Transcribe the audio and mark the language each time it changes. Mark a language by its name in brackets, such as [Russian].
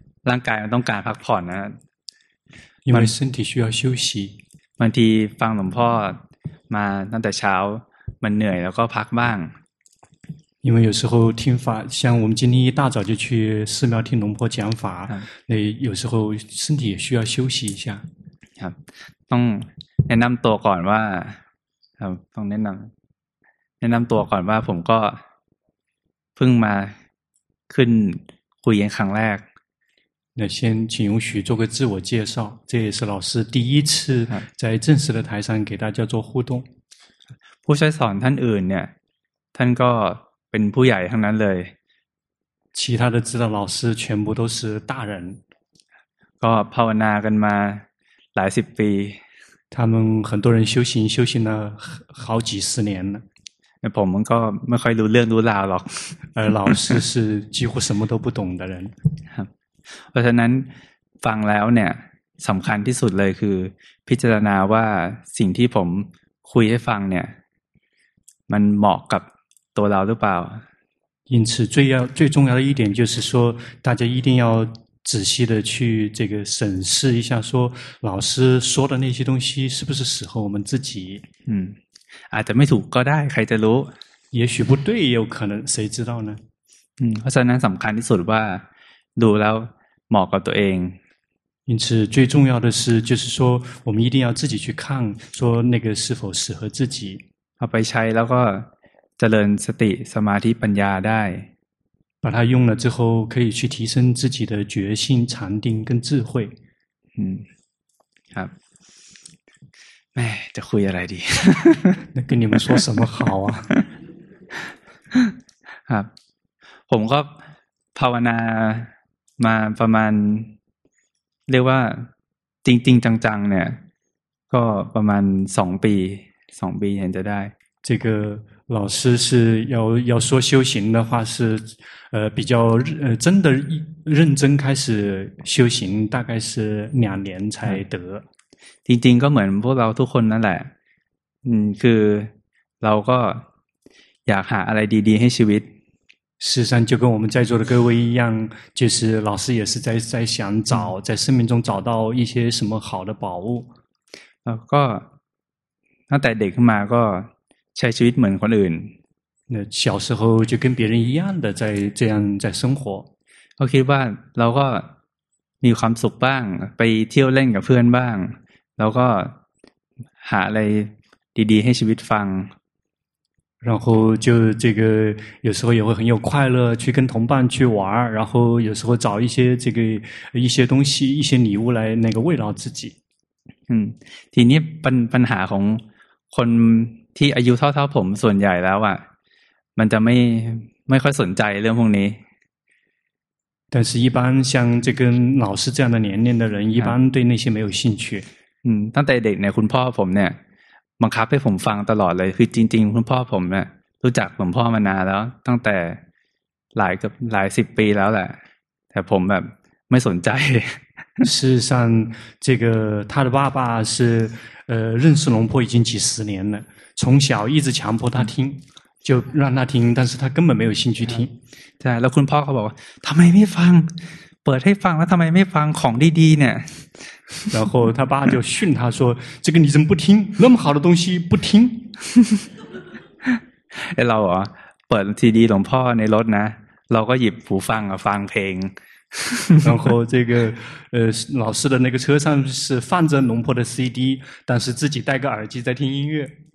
[Thai] ร่างกายมันต้องการพักผ่อนนะ [Chinese] 因为身体需要休息 [Thai] บางทีฟังหลวงพ่อมาตั้งแต่เช้ามันเหนื่อยแล้วก็พักบ้าง [Chinese] 因为有时候听法像我们今天一大早就去寺庙听龙婆讲法那有时候身体也需要休息一下 [Thai] ครับต้องแนะนำตัวก่อนว่าครับต้องแนะนำตัวก่อนว่าผมก็เพิ่งมาขึ้นคุยกันครั้งแรก [Chinese] 那先请允许做个自我介绍这也是老师第一次在正式的台上给大家做互动 [Thai] ผู้ใช้สอนท่านอื่นเนี่ยท่านก็เป็นผู้ใหญ่ทั้งนั้นเลย [Chinese] 其他的指导老师全部都是大人 [Thai] ก็ภาวนากันมาหลายสิบปี [Chinese] 他们很多人修行了好几十年了 [Thai] ผมก็ไม่ค่อยรู้เรื่องรู้ราวหรอก [Chinese] 老师是几乎什么都不懂的人 [Thai] เพราะฉะนั้นฟังแล้วเนี่ยสำคัญที่สุดเลยคือพิจารณาว่าสิ่งที่ผมคุยให้ฟังเนี่ยมันเหมาะกับตัวเราหรือเปล่า [Chinese] 因此最重要的一点就是说大家一定要仔细的去这个审视一下说老师说的那些东西是不是适合我们自己 [Thai] อาจจะไม่ถูกก็ได้ใครจะรู้ [Chinese] 也许不对也有可能谁知道呢 [Thai] เพราะฉะนั้นสำคัญที่สุดว่าดูแล้วเหมาะกับตัวเอง [Chinese] 因此最重要的是就是说我们一定要自己去看说那个是否适合自己 [Thai] เอาไปใช้แล้วก็เจริญสติสมาธิปัญญาได้ [Chinese] 把它用了之后可以去提升自己的觉性禅定跟智慧 [Thai] ครับแม่จะคุยอะไรดี [Chinese] 那跟你们说什么好啊 [Thai] ครับผมก็ภาวนามาประมาณเรียกว่าจริงๆจังๆเนี่ยก็ประมาณ2 ปี 2 ปีเห็นจะได้ [Chinese] 这个老师是要说修行的话是比较真的认真开始修行大概是2年才得 [Thai] จริงๆก็เหมือนพวกเราทุกคนนั่นแหละคือเราก็อยากหาอะไรดีๆให้ชีวิต [Chinese] 事实上就跟我们在座的各位一样就是老师也是在想找在生命中找到一些什么好的宝物 [Thai] แล้วก็ตั้งแต่เด็กมาก็ใช้ชีวิตเหมือนคนอื่น [Chinese] 那小时候就跟别人一样的在这样在生活 [Thai] ก็คิดว่าเราก็มีความสุขบ้างไปเที่ยวเล่นกับเพื่อนบ้างแล้วก็หาอะไรดีๆให้ชีวิตฟัง [Chinese] 然后就这个有时候也会很有快乐去跟同伴去玩然后有时候找一些这个一些东西一些礼物来那个慰劳自己 [Thai] ทีนี้ปัญหาของคนที่อายุเท่าๆผมส่วนใหญ่แล้วอ่ะมันจะไม่ค่อยสนใจเรื่องพวกนี้ [Chinese] 但是一般像这个老师这样的年龄的人一般对那些没有兴趣 [Thai] ตั้งแต่เด็กเนี่ยคุณพ่อผมเนี่ยบังคับให้ผมฟังตลอดเลยคือจริงๆคุณพ่อผมเนี่ยรู้จักผมพ่อมานานแล้วตั้งแต่หลายสิบปีแล้วแหละแต่ผมแบบไม่สนใจ [Chinese] 事实上这个他的爸爸是认识龙婆已经几十年了从小一直强迫他听就让他听但是他根本没有兴趣听 [Thai] แล้วคุณพ่อเขาบอกว่าทำไมไม่ฟังเปิดให้ฟังแล้วทำไมไม่ฟังของดีๆเนี่ย [Chinese] 然后他爸就训他说这个你怎么不听那么好的东西不听 [Thai] เราเปิดซีดีหลวงพ่อในรถนะเราก็หยิบหูฟังฟังเพลง [Chinese] 然后这个老师的那个车上是放着龙婆的 CD 但是自己戴个耳机在听音乐